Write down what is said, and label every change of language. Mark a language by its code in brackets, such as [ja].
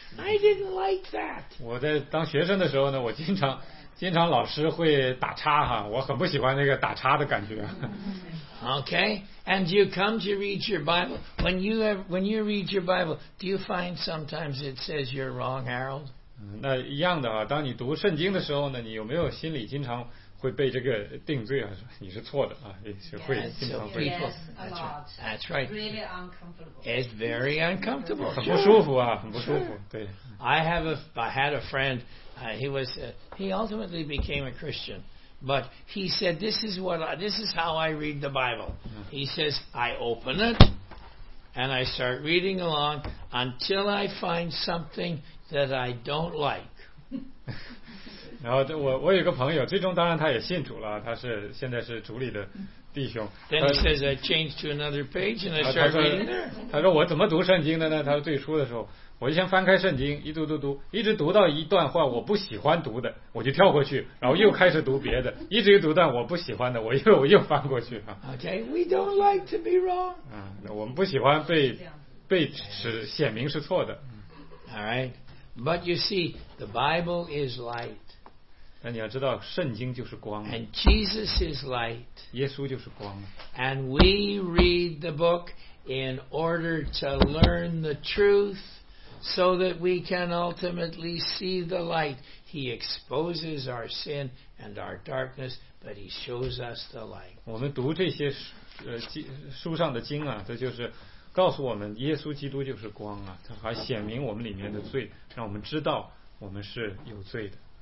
[en] I didn't like that. [zh] 我在当学生的时候呢，我经常老师会打叉哈，我很不喜欢那个打叉的感觉。 [en] Okay, and you come to read your Bible. When you read your Bible, do you find sometimes it says you're wrong, Harold? [zh] 那一样的啊，当你读圣经的时候呢，你有没有心里经常会被这个定罪啊？你是错的啊，也是会经常被错。 [en] Yes, a lot. That's right. Really uncomfortable. It's very uncomfortable. [zh] 很不舒服啊，很不舒服。对。 [en] I had a friend. He ultimately became a Christian, but he said this is how I read the Bible. He says I open it and I start reading along until I find something that I don't like. [zh] 然后我有个朋友，最终当然他也信主了，他是现在是主里的弟兄。 [en] Then he says I change to another page and I start reading there. [zh] 他说我怎么读圣经的呢？他说最初的时候，我就先翻开圣经，一读读读，一直读到一段话我不喜欢读的，我就跳过去，然后又开始读别的，一直读到我不喜欢的，我又翻过去啊。 [en] Okay, we don't like to be wrong. [zh] 我们不喜欢被使显明是错的。 [en] All right. But you see, the Bible is light. [zh] 但你要知道，圣经就是光。 [en] And Jesus is light. [zh] 耶稣就是光。 [en] And we read the book in order to learn the truth, so that we can ultimately see the light. He exposes our sin and our darkness, but he shows us the light. [zh] 我们读这些书上的经啊，这就是。告诉我们耶稣基督就是光啊，他还显明我们里面的罪，让我们知道我们是有罪的。